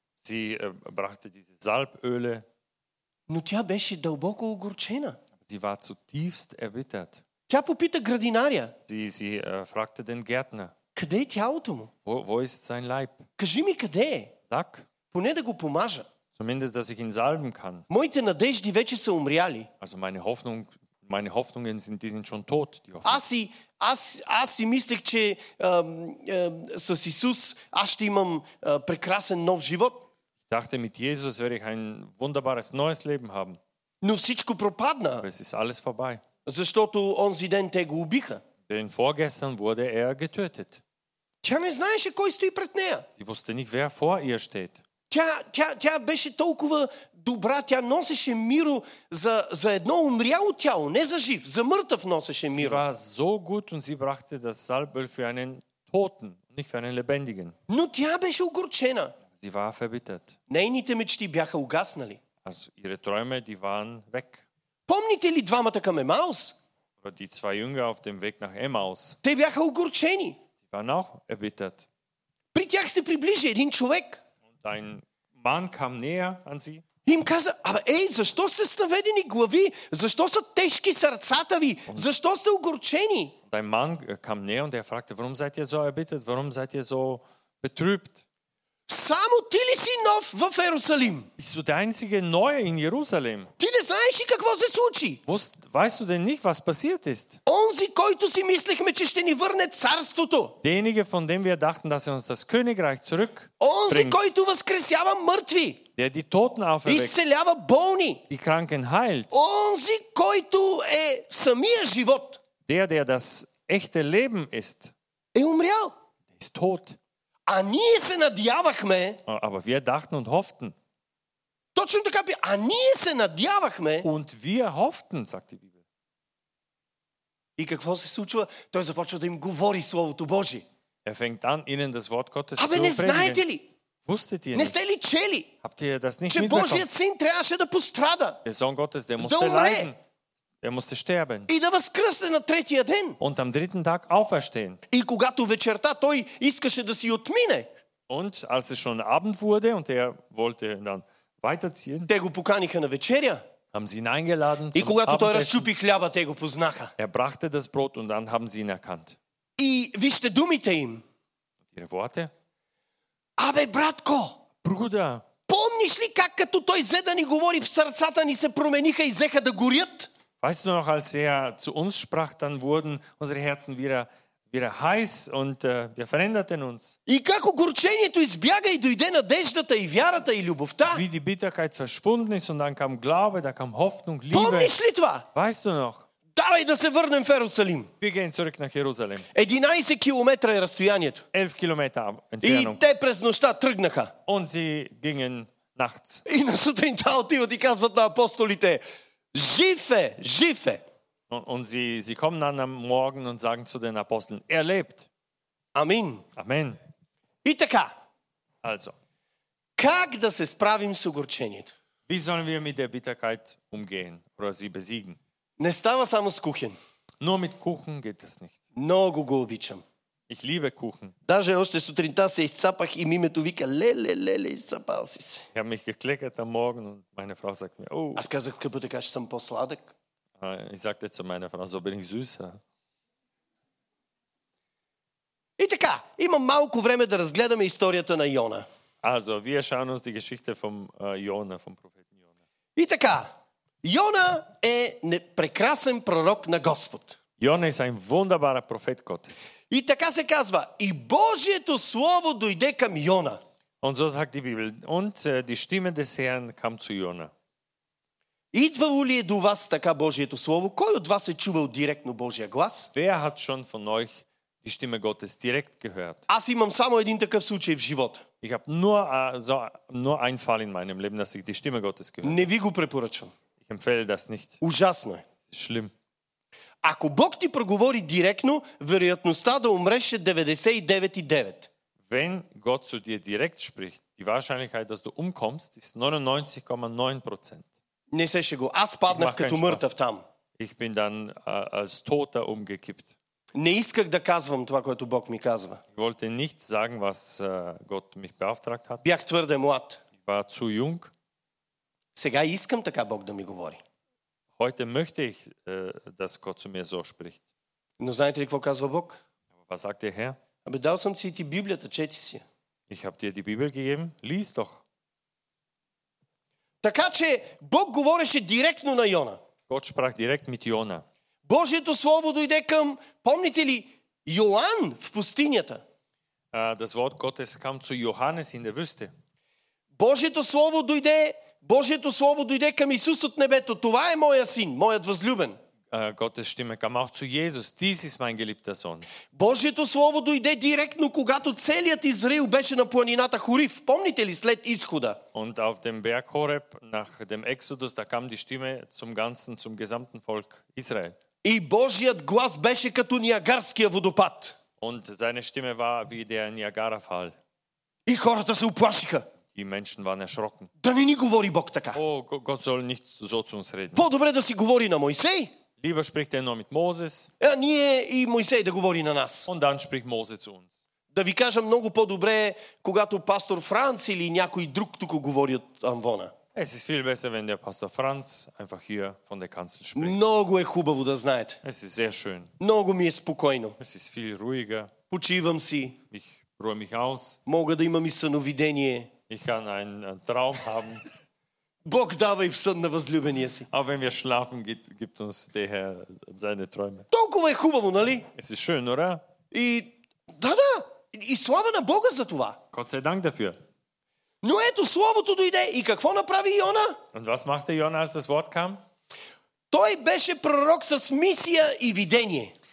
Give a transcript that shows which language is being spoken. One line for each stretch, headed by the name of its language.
German: Sie brachte diese Salböle.
Bulgarian: Но тя беше дълбоко огорчена.
German: Sie war zutiefst erbittert.
Bulgarian: Тя попита градинаря.
German: Sie fragte den Gärtner.
Bulgarian: Къде е тялото му?
German: Wo ist sein Leib?
Bulgarian: Кажи ми къде е.
German: Sag.
Bulgarian: Поне да го помажа.
German: Zumindest, dass ich ihn salben kann.
Bulgarian: Моите надежди вече са умряли.
German: Also meine Hoffnungen sind, die sind schon tot. Die Hoffnung.
Bulgarian: Аз си мислех, че с Исус аз ще имам прекрасен нов живот.
German: Dachte, mit Jesus werde ich ein wunderbares neues Leben haben.
Bulgarian: Но всичко пропадна.
German: Es ist alles vorbei.
Bulgarian: Защото онзи ден те го убиха.
German: Denn vorgestern wurde er getötet.
Bulgarian: Тя не знаеше кой стои пред нея.
German: Sie wusste nicht, wer vor ihr steht.
Bulgarian: Тя беше толкова добра, тя носеше миро за едно умряло тяло, не за жив, за мъртъв носеше миро.
German: Sie war so gut und sie brachte das Salböl für einen Toten, nicht für einen Lebendigen.
Bulgarian: Но тя беше огорчена.
German: Sie war verbittert.
Bulgarian: Нейните мечти бяха угаснали.
German: Also ihre Träume, die waren weg.
Bulgarian: Помните ли двамата към Емаус?
German: Die zwei Jünger auf dem Weg nach Emmaus.
Bulgarian: Те бяха огорчени.
German: Sie waren auch erbittert.
Bulgarian: При тях се приближи един човек.
German: Und ein Mann kam näher an sie.
Bulgarian: Им каза, абе, ей, защо сте с наведени глави? Защо са тежки сърцата ви? Защо сте огорчени?
German: Ein Mann kam näher und er fragte, warum seid ihr so erbittert? Warum seid ihr so betrübt?
Bulgarian: Само ти ли си нов в Йерусалим?
German: Bist du der einzige Neue in Jerusalem?
Bulgarian: Ти не знаеш ли какво се случи?
German: Weißt du denn nicht, was passiert ist?
Bulgarian: Онзи, който си мислихме, че ще ни върне царството.
German: Derjenige, von dem wir dachten, dass er uns das Königreich zurückbringt.
Bulgarian: Онзи, който възкресява мъртви.
German: Der die Toten auferweckt.
Bulgarian: Изцелява болни.
German: Die Kranken heilt.
Bulgarian: Онзи, който е самия живот.
German: Der das echte Leben ist.
Bulgarian: Е умрял.
German: Ist tot.
Bulgarian: А ние се надявахме.
German: Aber wir dachten und hofften.
Bulgarian: Точно така би. А ние се надявахме.
German: Und wir hofften, sagt die Bibel.
Bulgarian: И какво се случва? Той започва да им говори Словото Божие.
German: Er fängt an, ihnen das Wort Gottes zu predigen.
Bulgarian: Абе, не знаете ли?
German: Wusstet ihr nicht?
Bulgarian: Не сте ли чели?
German: Habt ihr das nicht
Bulgarian: Че Божият Син трябваше да пострада.
German: Der Sohn Gottes, der musste leiden. Er musste sterben.
Bulgarian: И да възкръсне на третия ден.
German: Und am dritten Tag auferstehen.
Bulgarian: И когато вечерта той искаше да си отмине.
German: Und als es schon Abend wurde und er wollte dann weiterziehen.
Bulgarian: Те го поканиха на вечеря.
German: Haben sie ihn eingeladen.
Bulgarian: И когато той разчупи хляба, те го познаха.
German: Er brachte das Brot und dann haben sie ihn erkannt.
Bulgarian: И вижте думите им.
German: Ihre Worte.
Bulgarian: Абе, братко.
German: Bruder.
Bulgarian: Помниш ли как като той взе да ни говори, в сърцата ни се промениха и взеха да горят?
German: Weißt du noch, als er zu uns sprach, dann wurden unsere Herzen wieder heiß und wir veränderten uns. Wie die Bitterkeit verschwunden ist und dann kam Glaube, da kam Hoffnung, Liebe. Weißt du noch? Wir gehen zurück nach Jerusalem. 11 Kilometer Entfernung. 11 Kilometer Entfernung. Und sie gingen nachts. Und am Morgen kommen sie und sagen den Aposteln,
Bulgarian: Жифе, жифе.
German: Und sie kommen dann am Morgen und sagen zu den Aposteln, er lebt.
Bulgarian: Амин. Амен. И така.
German: Also.
Bulgarian: Как да се справим с огорчението?
German: Wie sollen wir mit der Bitterkeit umgehen oder sie besiegen?
Bulgarian: Не става само с кухен.
German: Nur mit Kuchen geht das nicht.
Bulgarian: Много го обичам.
German: Ich liebe Kuchen.
Bulgarian: Даже още сутринта се изцапах и мимето вика ле-ле-ле-ле, изцапал си се.
German: Ich habe mich gekleckert am Morgen und meine Frau sagt mir, oh.
Bulgarian: Аз казах, скъпо, така ще съм по-сладък.
German: Ich sagte zu meiner Frau, so bin ich süßer.
Bulgarian: И така, имам малко време да разгледаме историята на Йона.
German: Also, wir schauen uns die Geschichte vom Jona, vom Propheten Jona.
Bulgarian: И така, Йона е прекрасен пророк на Господ. Йона е един
German: wunderbarer Prophet Gottes.
Bulgarian: И така се казва, и Божието слово дойде към Йона.
German: Und so sagt die Bibel, und die Stimme des Herrn kam zu Jona.
Bulgarian: Идва ли е до вас така Божието слово? Кой от вас е чувал директно Божия глас?
German: Wer hat schon von euch die Stimme Gottes direkt gehört?
Bulgarian: Аз имам само един такъв случай в живота.
German: Ich habe nur einen Fall in meinem Leben, dass ich die Stimme Gottes gehört.
Bulgarian: Не ви го препоръчвам.
German: Ich empfehle das nicht.
Bulgarian: Ужасно е.
German: Schlimm.
Bulgarian: Ако Бог ти проговори директно, вероятността да умреш е 99,9.
German: Wenn Gott zu dir direkt spricht, die Wahrscheinlichkeit, dass du umkommst, ist 99,9%.
Bulgarian: Не се шего. Аз паднах като мъртъв там.
German: Ich bin dann als Toter umgekippt.
Bulgarian: Не исках да казвам това, което Бог ми казва.
German: Ich wollte nicht sagen, was Gott mich beauftragt hat.
Bulgarian: Бях твърде млад.
German: Ich war zu jung.
Bulgarian: Сега искам така Бог да ми говори.
German: Heute möchte ich, dass Gott zu mir so spricht.
Bulgarian: Но знаете ли какво казва Бог?
German: Was sagt der Herr?
Bulgarian: Абе, дал съм си ти Библията, чети си.
German: Ich habe dir die Bibel gegeben, lies doch.
Bulgarian: Така че Бог говореше директно на Йона.
German: Gott sprach direkt mit Jona.
Bulgarian: Божието слово дойде към, помните ли, Йоан в пустинята?
German: Das Wort Gottes kam zu Johannes in der Wüste.
Bulgarian: Божието слово дойде към Исус от небето. Това е моя син, моят възлюбен.
German: Gottes Stimme kam auch zu Jesus. Dies ist mein geliebter Sohn.
Bulgarian: Божието слово дойде директно, когато целият Израил беше на планината Хорив. Помните ли след изхода?
German: Und auf dem Berg Horeb, nach dem Exodus, da kam die Stimme zum gesamten Volk Israel.
Bulgarian: И Божият глас беше като Ниагарския водопад.
German: Und seine Stimme war wie der Niagara-Fall.
Bulgarian: И хората се уплашиха. И
German: Menschen waren erschrocken.
Bulgarian: Да не ни говори Бог така.
German: О, Gott soll nicht so zu uns reden.
Bulgarian: По-добре да си говори на Мойсей.
German: Lieber spricht er nur mit Moses.
Bulgarian: А ние и Мойсей да говори на нас.
German: Und dann spricht Moses zu uns.
Bulgarian: Да ви кажа много по-добре, когато пастор Франц или някой друг тук говори от Амвона.
German: Es ist viel besser, wenn der Pastor Franz einfach hier von der Kanzel spricht.
Bulgarian: Много е хубаво да знаете.
German: Es ist sehr schön.
Bulgarian: Много ми е спокойно.
German: Es ist viel ruhiger.
Bulgarian: Почивам си.
German: Ich ruhe mich aus.
Bulgarian: Мога да имам и сновидение.
German: Ich kann einen Traum haben.
Bulgarian: Бог дава и в сън на възлюбения си.
German: Auch wenn wir schlafen, gibt uns der Herr seine Träume.
Bulgarian: Толкова е хубаво, нали?
German: Es ist schön, oder?
Bulgarian: И да-да, и слава на Бога за това.
German: Gott sei Dank dafür.
Bulgarian: Но ето словото дойде и какво направи Йона?
German: Und was machte Jonas, als das Wort kam?
Bulgarian: Той беше пророк с мисия и видение.